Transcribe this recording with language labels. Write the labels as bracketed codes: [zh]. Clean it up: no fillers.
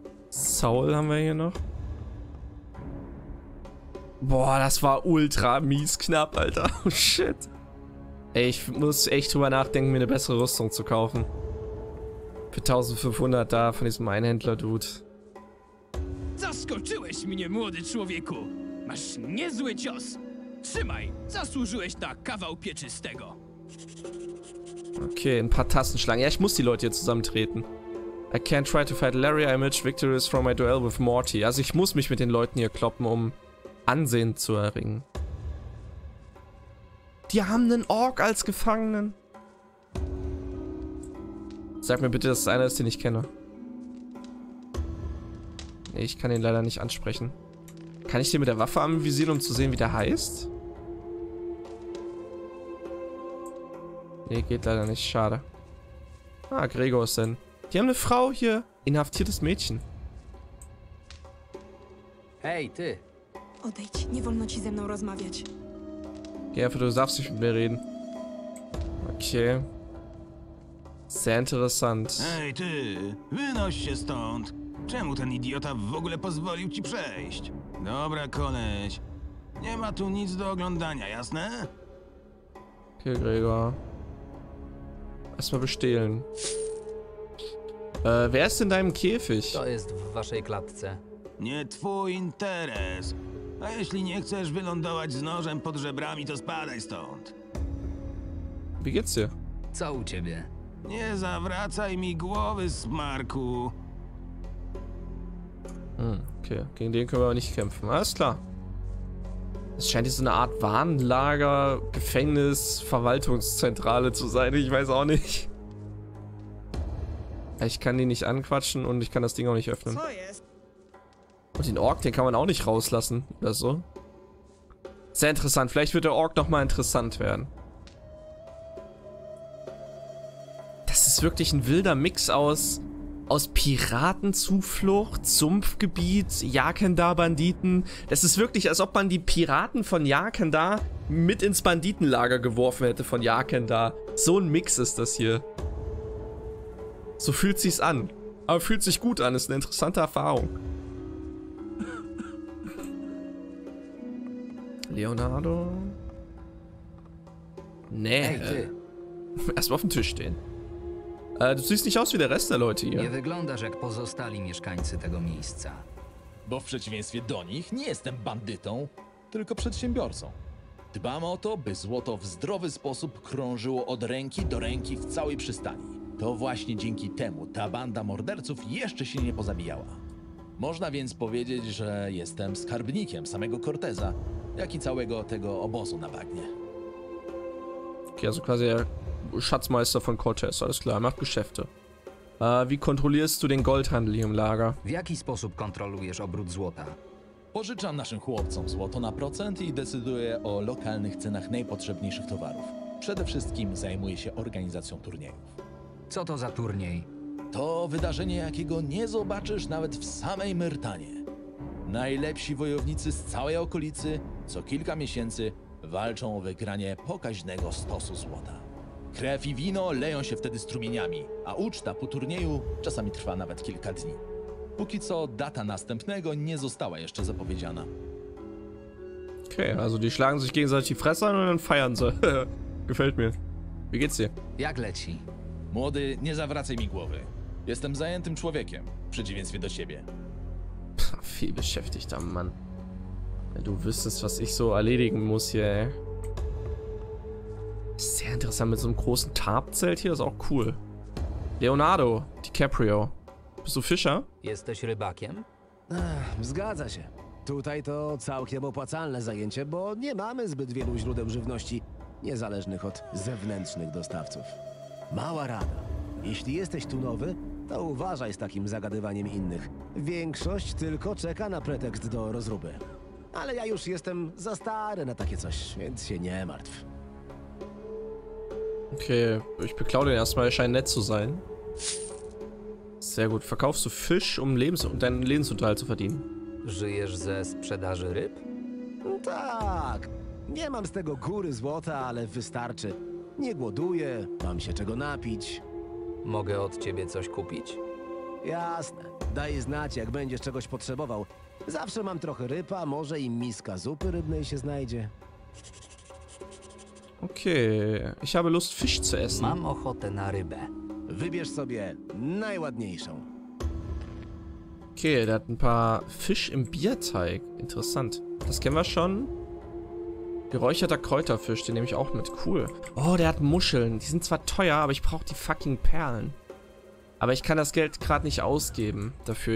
[de] Soul haben wir hier noch. Boah, das war ultra mies knapp, Alter. Oh shit. Ey, ich muss echt drüber nachdenken, mir eine bessere Rüstung zu kaufen. Für 1500 da von diesem Einhändler-Dude. [pl] Zaskoczyłeś mnie, młody człowieku. Masz niezły cios. Trzymaj, zasłużyłeś na kawał pieczystego. [de] Okay, ein paar Tassenschlangen. Ja, ich muss die Leute hier zusammentreten. [en] I can't try to fight Larry Image. Victory is from my duel with Morty. [de] Also ich muss mich mit den Leuten hier kloppen, um Ansehen zu erringen. Die haben einen Ork als Gefangenen. Sag mir bitte, dass es einer ist, den ich kenne. Ich kann ihn leider nicht ansprechen. Kann ich den mit der Waffe anvisieren, um zu sehen, wie der heißt? Nee, geht leider nicht. Schade. Ah, Gregor ist denn. Die haben eine Frau hier. Inhaftiertes Mädchen. [pl] Hey, ty. Odejdź, nie wolno ci ze mną rozmawiać. [de] Gerfe, du darfst nicht mit mir reden. Okay. Sehr interessant. [pl] Hey, ty. Wynoś się stąd. Czemu ten idiota w ogóle pozwolił ci przejść? Dobra, koleś. Nie ma tu nic do oglądania, jasne? [de] Okay, Gregor. Erstmal bestehlen. Wer ist in deinem Käfig? [pl] To jest w waszej klatce. Nie twój interes. A jeśli nie chcesz wylądować z nożem pod żebrami, to spadaj stąd. [de] Wie geht's dir? [pl] Co u ciebie? Nie zawracaj mi głowy, smarku. [de] Okay, gegen den können wir aber nicht kämpfen. Alles klar. Es scheint hier so eine Art Warnlager, Gefängnis, Verwaltungszentrale zu sein. Ich weiß auch nicht. Ich kann die nicht anquatschen und ich kann das Ding auch nicht öffnen. Und den Ork, den kann man auch nicht rauslassen. Oder so. Sehr interessant. Vielleicht wird der Ork nochmal interessant werden. Das ist wirklich ein wilder Mix aus... aus Piratenzuflucht, Sumpfgebiet, Jakendar-Banditen. Das ist wirklich, als ob man die Piraten von Jakendar mit ins Banditenlager geworfen hätte von Jakendar. So ein Mix ist das hier. So fühlt sich's an. Aber fühlt sich gut an, ist eine interessante Erfahrung. Leonardo? Nee. Erstmal auf den Tisch stehen. Du siehst nicht aus wie der Rest der Leute hier. [pl] Nie wyglądasz jak pozostali mieszkańcy tego miejsca. Bo w przeciwieństwie do nich nie jestem bandytą, tylko przedsiębiorcą. Dbam o to, by złoto w zdrowy sposób krążyło od ręki do ręki w całej przystani. To właśnie dzięki temu ta banda morderców jeszcze się nie pozabijała. Można więc powiedzieć, że jestem skarbnikiem samego Corteza, jak i całego tego obozu na bagnie. [de] Also quasi Schatzmeister von Cortez, alles klar, macht Geschäfte. Wie kontrollierst du den Goldhandel hier im Lager? [pl] W jaki sposób kontrolujesz obrót złota? Pożyczam naszym chłopcom złoto na procent i decyduję o lokalnych cenach najpotrzebniejszych towarów. Przede wszystkim zajmuję się organizacją turniejów. Co to za turniej? To wydarzenie, jakiego nie zobaczysz nawet w samej Myrtanie. Najlepsi wojownicy z całej okolicy co kilka miesięcy walczą o wygranie pokaźnego stosu złota. Krew i wino leją się wtedy strumieniami, a uczta po turnieju czasami trwa nawet kilka dni. Póki co data następnego nie została jeszcze zapowiedziana. [de] Okej, okay, also die schlagen sich gegenseitig die Fresse an und dann feiern sie. Gefällt mir. Wie geht's dir? [pl] Jak leci? Młody, nie zawracaj mi głowy. Jestem zajętym człowiekiem, w przeciwieństwie do ciebie. [de] Viel beschäftigter Mann. Wenn du wüsstest, was ich so erledigen muss hier, ey. Sehr interessant mit so einem großen Tarpzelt hier, ist auch cool. Leonardo DiCaprio. Bist du Fischer? [pl] Jesteś rybakiem? Zgadza się. Tutaj to całkiem opłacalne zajęcie, bo nie mamy zbyt wielu źródeł żywności, niezależnych od zewnętrznych dostawców. Mała rada. Jeśli jesteś tu nowy, to uważaj z takim zagadywaniem innych. Większość tylko czeka na pretekst do rozruby. Ale ja już jestem za stary na takie coś, więc się nie martw. [de] Okay, ich beklau den erstmal, er scheint nett zu sein. Sehr gut, verkaufst du Fisch, um deinen Lebensunterhalt zu verdienen? [pl] Żyjesz ze sprzedaży ryb? Tak, nie mam z tego góry złota, ale wystarczy. Nie głoduję, mam się czego napić. Mogę od ciebie coś kupić? Jasne, daj znać, jak będziesz czegoś potrzebował. Zawsze mam trochę rypa, może i miska zupy rybnej się znajdzie. [de] Okej, okay. Ich habe Lust Fisch zu essen. [pl] Mam ochotę na rybę. Wybierz sobie najładniejszą. [de] Okej, okay, der hat ein paar Fisch im Bierteig. Interessant. Das kennen wir schon. Geräucherter Kräuterfisch, den nehme ich auch mit. Cool. Oh, der hat Muscheln. Die sind zwar teuer, aber ich brauche die fucking Perlen. Aber ich kann das Geld gerade nicht ausgeben dafür.